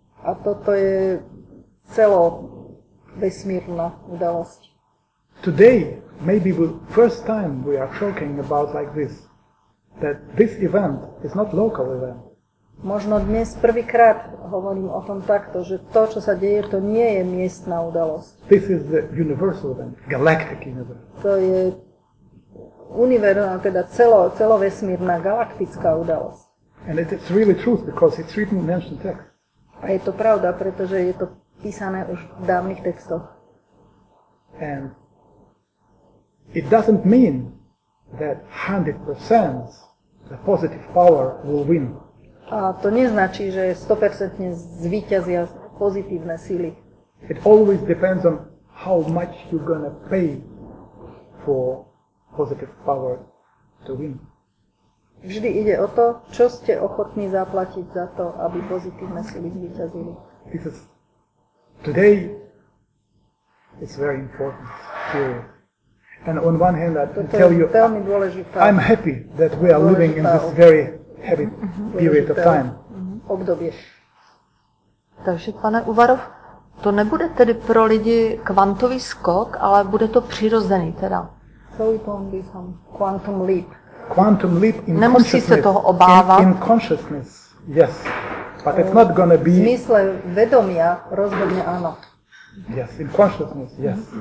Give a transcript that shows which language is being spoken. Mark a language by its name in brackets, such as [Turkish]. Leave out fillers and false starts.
[Slovak] A toto je celo vesmírna udalosť. [English] Today maybe the first time we are talking about like this, that this event is not local event. [Slovak] Možno dnes prvýkrát hovorím o tom takto, že to, čo sa deje, to nie je miestna udalosť. [English] This is the universal event, galactic event. [Slovak] To je univerzálna, teda celovesmírna galaktická udalosť. [English] And it's really truth because it's written in ancient texts. [Slovak] A je to pravda, pretože je to písané už v dávnych textoch. [English] And it doesn't mean that 100% the positive power will win. [Slovak] A to neznačí, že 100% zvíťazia pozitívne síly. [English] It always depends on how much you're gonna pay for positive power to win. [Slovak] Vždy ide o to, čo ste ochotní zaplatiť za to, aby pozitívne sily zvíťazili. [English] This is, today it's very important here. And on one hand I tell you, I'm happy that we are living in this very heavy period of time. [Slovak] Obdobie. [Czech] Takže pane Uvarov, to nebude tedy pro lidi kvantový skok, ale bude to přirozený teda. [English] So it won't be some quantum leap. Quantum leap in [Slovak] nemusí [English] consciousness. [Slovak] Se toho obávať. [English] In consciousness, yes. But it's not gonna be... [Slovak] V zmysle vedomia rozhodne áno. [English] Yes, in consciousness, yes.